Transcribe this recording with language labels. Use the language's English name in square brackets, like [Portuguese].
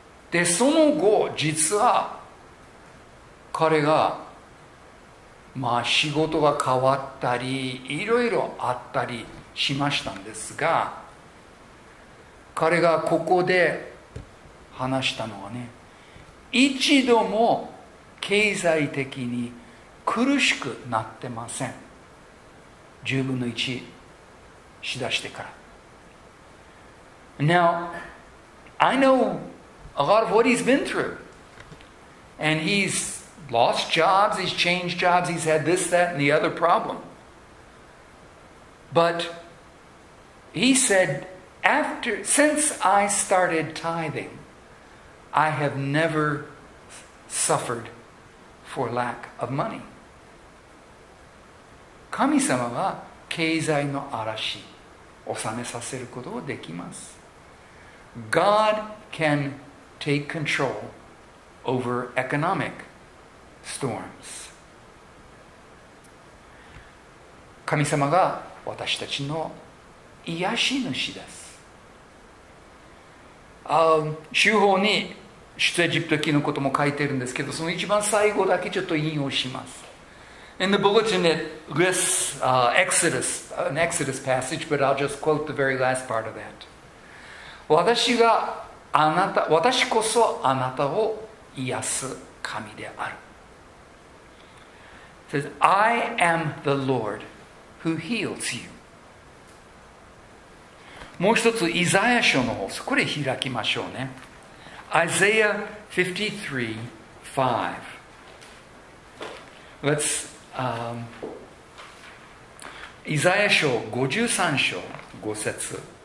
[Japanese] で、その後、実は彼が、仕事が変わったり、いろいろあったりしましたんですが、彼がここで話したのはね、一度も経済的に苦しくなってません。十分の一しだしてから。 [English] Now, I know... a lot of what he's been through. And he's lost jobs, he's changed jobs, he's had this, that, and the other problem. But he said, since I started tithing, I have never suffered for lack of money. [Japanese] 神様は経済の嵐を収めさせることができます。 [English] God can take control over economic storms. [Japanese] 神様が私たちの癒し主です。修法に出エジプト記のことも書いてるんですけど、その一番最後だけちょっと引用します。 [English] In the bulletin it lists an Exodus passage, but I'll just quote the very last part of that. [Japanese] 私が私こそあなたを癒す神である。 [English] It says, I am the Lord who heals you. [Japanese] もう一つ、イザヤ書の方、これ開きましょうね。 [English] Isaiah 53:5. Let's, [Japanese] イザヤ書53章5節。